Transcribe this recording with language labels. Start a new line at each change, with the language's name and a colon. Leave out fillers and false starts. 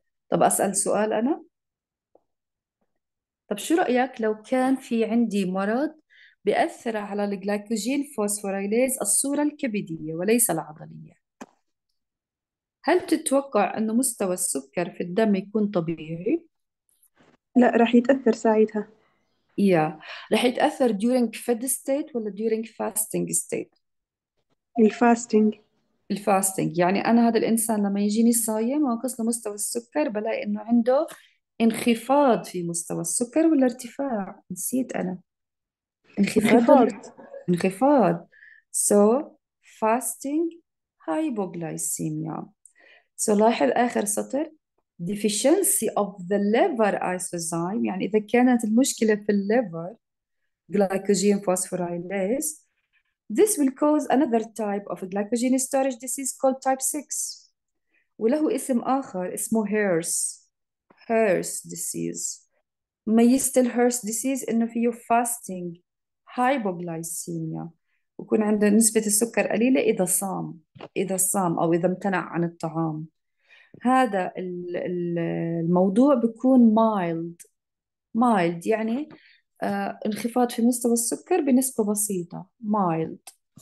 Arabic: طب أسأل سؤال أنا، طب شو رأيك لو كان في عندي مرض بيأثر على الجلايكوجين فوسفوريليز الصورة الكبدية وليس العضلية، هل تتوقع أنه مستوى السكر في الدم يكون طبيعي؟ لا راح يتأثر ساعتها. يا رح يتأثر
English: during fed state
Arabic: ولا
English: during fasting state؟ الفاستينج
Arabic: الفاستنج يعني أنا هذا الإنسان لما يجيني صايم وأنقص له مستوى السكر بلاقي إنه عنده انخفاض في مستوى السكر ولا ارتفاع؟ نسيت أنا. انخفاض انخفاض.
English: انخفاض so fasting hypoglycemia. So لاحظ آخر سطر deficiency of the liver isozyme،
Arabic: يعني إذا كانت المشكلة في الليفر
English: glycogen phosphorylase this will cause another type of glycogen storage disease called type 6،
Arabic: وله اسم آخر اسمه هيرس
English: disease.
Arabic: ميزة الهيرس disease إنه فيه
English: fasting hypoglycemia
Arabic: ويكون عنده نسبة السكر قليلة إذا صام أو إذا امتنع عن الطعام. هذا الموضوع بيكون mild، يعني انخفاض في مستوى السكر بنسبة بسيطة mild.